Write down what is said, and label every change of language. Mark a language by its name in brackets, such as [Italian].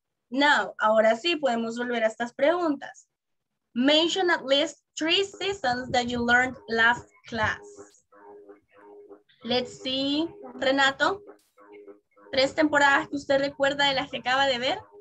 [Spanish] Now, ahora sí, podemos volver a estas preguntas. [English] Mention at least three seasons that you learned last class. Let's see, Renato. [Spanish] ¿Tres temporadas que usted recuerda de las que acaba de ver?